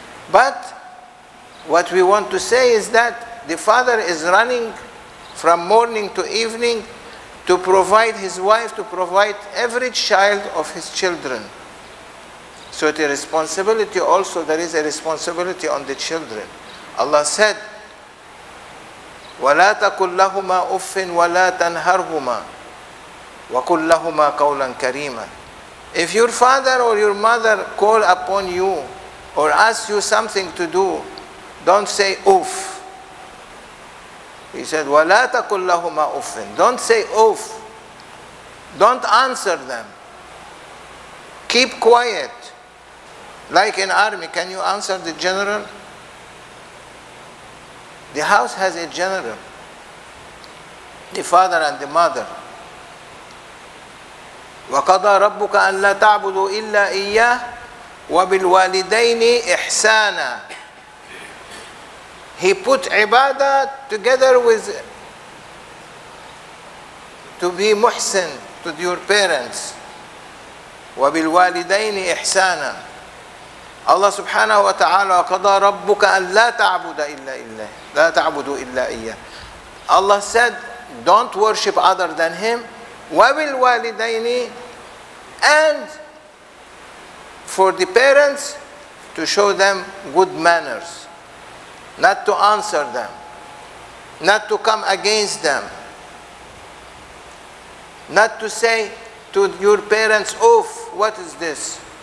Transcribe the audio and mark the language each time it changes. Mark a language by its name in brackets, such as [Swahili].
[English] But what we want to say is that the father is running from morning to evening to provide his wife, to provide every child of his children. So the responsibility also, there is a responsibility on the children. Allah said, [Arabic] وَلَا تَقُلْ لَهُمَا أُفٍّ وَلَا تَنْهَرْهُمَا وَقُلْ لَهُمَا قَوْلًا كَرِيمًا. [English] If your father or your mother call upon you or ask you something to do, don't say oof. He said, [Arabic] وَلَا تَقُلْ لَهُمَا أُفٍّ. [English] Don't say oof. Don't answer them. Keep quiet. Like in army, can you answer the general? The house has a general, the father and the mother. [Arabic] وَقَضَى رَبُّكَ أَنْ لَا تَعْبُدُوا إِلَّا إِيَّهِ وَبِالْوَالِدَيْنِ إِحْسَانًا. [English] He put ibadah together with to be muhsin to your parents. [Arabic] وَبِالْوَالِدَيْنِ إِحْسَانًا. Allah subhanahu wa ta'ala, وَقَضَى رَبُّكَ أَنْ لَا تَعْبُدَ إِلَّا إِلَّهِ لا تعبدوا إلا إياه. [English] Allah said, don't worship other than him. وَبِالْوَالِدَيْنِ, and for the parents to show them good manners, not to answer them, not to come against them, not to say to your parents, oof, what is this?